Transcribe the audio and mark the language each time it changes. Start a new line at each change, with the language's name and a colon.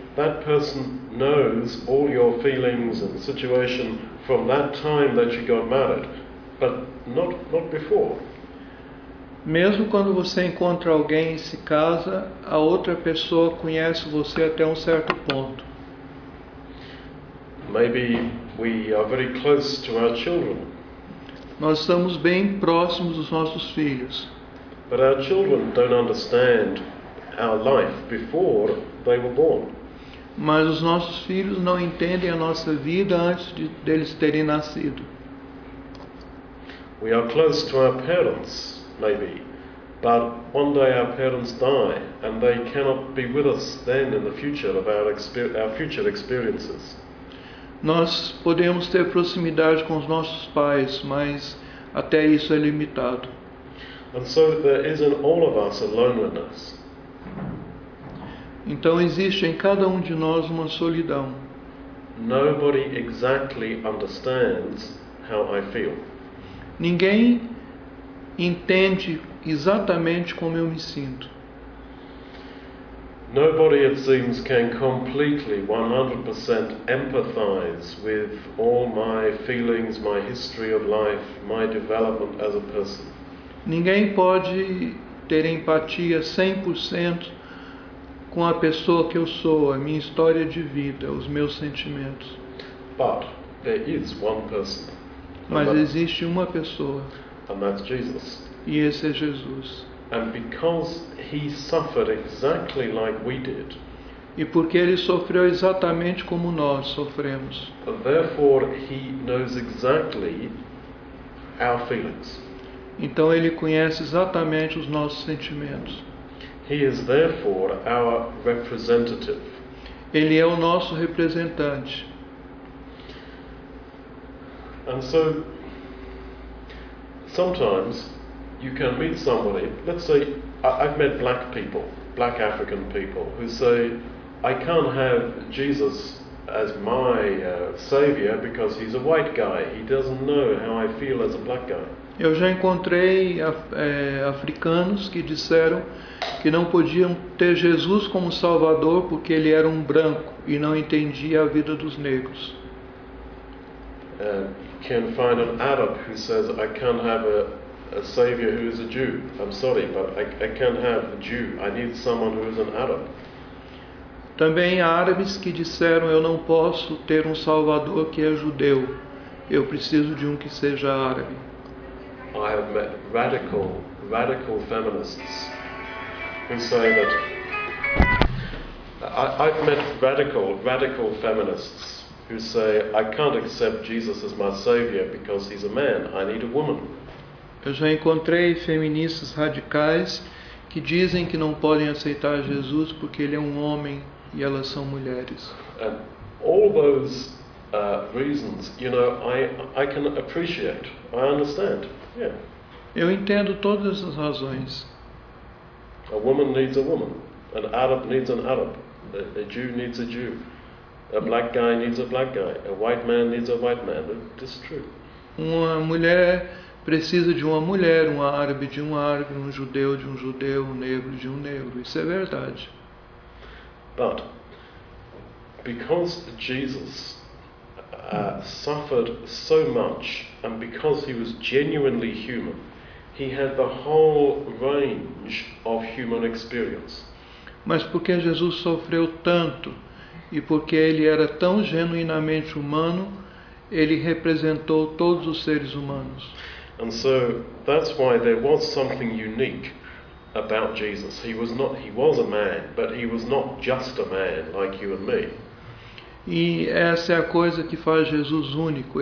English: That person knows all your feelings and situation from that time that you got married, but not before.
Portuguese: Mesmo quando você encontra alguém e se casa, a outra pessoa conhece você até um certo ponto.
English: Maybe we are very close to our children.
Portuguese: Nós estamos bem próximos dos nossos filhos.
English: But our children don't understand our life before they were born.
Portuguese: Mas os nossos filhos não entendem a nossa vida antes de deles terem nascido.
English: We are close to our parents, maybe, but one day our parents die and they cannot be with us then in the future of our future experiences.
Portuguese: Nós podemos ter proximidade com os nossos pais, mas até isso é limitado.
English: And so there is in all of us a loneliness.
Portuguese: Então existe em cada um de nós uma solidão.
English: Nobody exactly understands how I feel.
Portuguese: Ninguém entende exatamente como eu me sinto.
English: Nobody, it seems, can completely 100% empathize with all my feelings, my history of life, my development as a person.
Portuguese: Ninguém pode ter empatia 100% com a pessoa que eu sou, a minha história de vida, os meus sentimentos.
English: But there is one person.
Portuguese: Mas existe uma pessoa.
English: And that's Jesus.
Portuguese: E esse é Jesus.
English: And because he suffered exactly like we did.
Portuguese: E porque ele sofreu exatamente como nós sofremos.
English: Therefore he knows exactly our feelings.
Portuguese: Então ele conhece exatamente os nossos sentimentos.
English: He is therefore our representative.
Portuguese: Ele é o nosso representante.
English: And so sometimes you can meet somebody, let's say I've met black people, black African people, who say, I can't have Jesus as my savior because he's a white guy. He doesn't know how I feel as a black guy.
Portuguese: Eu já encontrei africanos que disseram que não podiam ter Jesus como salvador porque ele era um branco e não entendia a vida dos negros.
English: You can find an Arab who says, I can't have a savior who is a Jew. I'm sorry, but I can't have a Jew. I need someone who is an Arab.
Portuguese: Também há árabes que disseram, eu não posso ter um salvador que é judeu. Eu preciso de um que seja árabe.
English: I have met radical feminists who say that... I've met radical feminists who say, I can't accept Jesus as my savior because he's a man. I need a woman.
Portuguese: Eu já encontrei feministas radicais que dizem que não podem aceitar Jesus porque ele é um homem e elas são mulheres.
English: And all those reasons, you know, I can appreciate. I understand. Yeah.
Portuguese: Eu entendo todas as razões.
English: A woman needs a woman. An Arab needs an Arab. A Jew needs a Jew. A black guy needs a black guy. A white man needs a white man. It's true.
Portuguese: Uma mulher precisa de uma mulher, um árabe de um árabe, um judeu de um judeu, um negro de um negro. Isso é verdade.
English: But because Jesus suffered so much and because he was genuinely human, he had the whole range of human experience.
Portuguese: Mas porque Jesus sofreu tanto e porque ele era tão genuinamente humano, ele representou todos os seres humanos.
English: And so that's why there was something unique about Jesus. He was a man, but he was not just a man like you and me.
Portuguese: E essa é a coisa que faz Jesus único.